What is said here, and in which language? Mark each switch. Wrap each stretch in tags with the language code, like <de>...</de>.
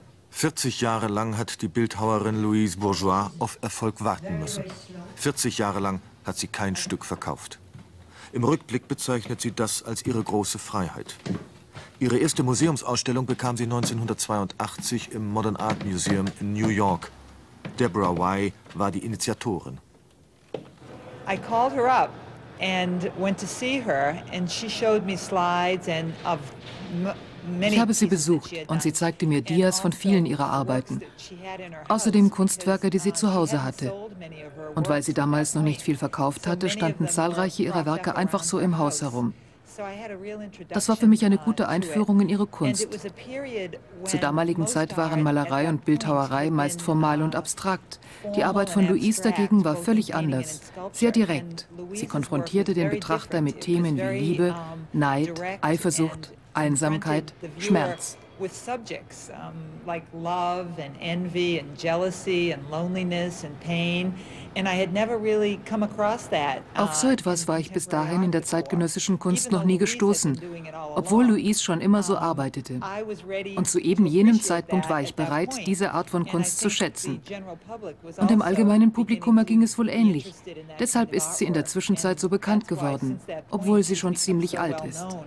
<de>Vierzig Jahre lang hat die Bildhauerin Louise Bourgeois auf Erfolg warten müssen. 40 Jahre lang hat sie kein Stück verkauft. Im Rückblick bezeichnet sie das als ihre große Freiheit. Ihre erste Museumsausstellung bekam sie 1982 im Modern Art Museum in New York. Deborah Wye war die Initiatorin.</de> <en>I called her up and went to see her and she showed me slides and of</en> <de>Ich habe sie besucht und sie zeigte mir Dias von vielen ihrer Arbeiten. Außerdem Kunstwerke, die sie zu Hause hatte. Und weil sie damals noch nicht viel verkauft hatte, standen zahlreiche ihrer Werke einfach so im Haus herum. Das war für mich eine gute Einführung in ihre Kunst. Zur damaligen Zeit waren Malerei und Bildhauerei meist formal und abstrakt. Die Arbeit von Louise dagegen war völlig anders, sehr direkt. Sie konfrontierte den Betrachter mit Themen wie Liebe, Neid, Eifersucht, Einsamkeit, Schmerz.</de> <en>With subjects like love and envy and jealousy and loneliness and pain, and I had never really come across that.</en> <de>Auf so etwas war ich bis dahin in der zeitgenössischen Kunst noch nie gestoßen, obwohl Louise schon immer so arbeitete. Und zu eben jenem Zeitpunkt war ich bereit, diese Art von Kunst zu schätzen. Und dem allgemeinen Publikum erging es wohl ähnlich. Deshalb ist sie in der Zwischenzeit so bekannt geworden, obwohl sie schon ziemlich alt ist.</de>